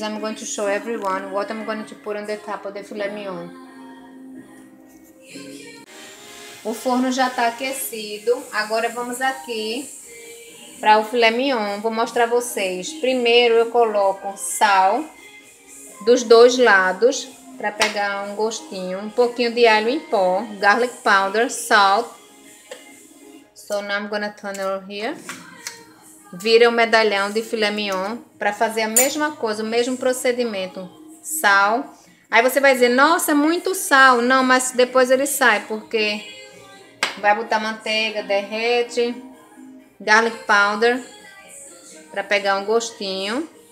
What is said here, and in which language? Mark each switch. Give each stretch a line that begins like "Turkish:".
English: I'm going to show everyone what I'm going to put on the top of the filé mignon.
Portuguese: O forno já tá aquecido. Agora vamos aqui para o filé mignon, vou mostrar a vocês. Primeiro eu coloco sal dos dois lados para pegar um gostinho, um pouquinho de alho em pó,
English: garlic powder, salt. So now I'm gonna turn it over here.
Portuguese: Vira o medalhão de filé mignon para fazer a mesma coisa, o mesmo procedimento. Sal. Aí você vai dizer: "Nossa, muito sal". Não, mas depois ele sai porque vai botar manteiga, derrete.
English: Garlic powder
Portuguese: para pegar um gostinho.